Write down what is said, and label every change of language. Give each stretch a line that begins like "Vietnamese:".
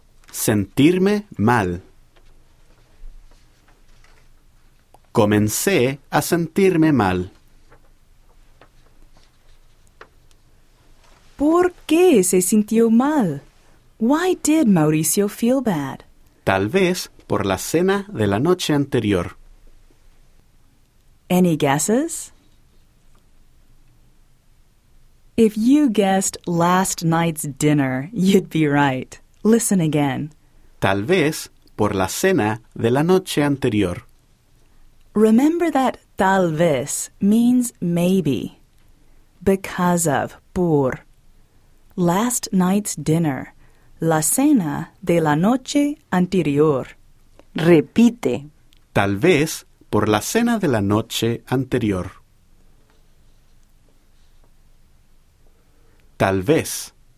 Spanish: Sentirme mal. Comencé a sentirme mal. ¿Por qué se sintió mal?
English: Why did Mauricio feel bad?
Spanish: Tal vez por la cena de la noche anterior.
English: Any guesses? If you guessed last night's dinner, you'd be right. Listen again.
Spanish: Tal vez por la cena de la noche anterior.
English: Remember that
Spanish: tal vez
English: means maybe. Because of, por. Last night's dinner.
Spanish: La cena de la noche anterior. Repite. Tal vez por la cena de la noche anterior. Tal vez.